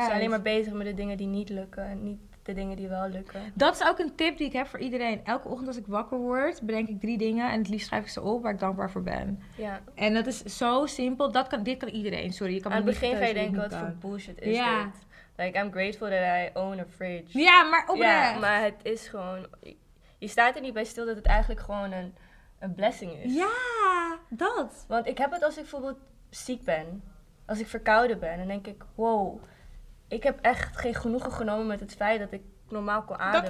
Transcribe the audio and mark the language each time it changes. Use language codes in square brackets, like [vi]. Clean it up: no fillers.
[nl] We zijn alleen maar bezig met de dingen die niet lukken. Niet de dingen die wel lukken. Dat is ook een tip die ik heb voor iedereen. Elke ochtend als ik wakker word, bedenk ik 3 dingen. En het liefst schrijf ik ze op waar ik dankbaar voor ben. Ja. En dat is zo simpel. Dit kan iedereen. Sorry, je kan aan het begin ga je denken, wat voor bullshit is dit? [en] Like, I'm grateful that I own a fridge. [nl] Ja, maar oprecht. Ja, maar het is gewoon... Je staat er niet bij stil dat het eigenlijk gewoon een een blessing is. Ja, dat. Want ik heb het als ik bijvoorbeeld ziek ben. Als ik verkouden ben. Dan denk ik, wow. Ik heb echt geen genoegen genomen met het feit dat ik normaal kon ademen.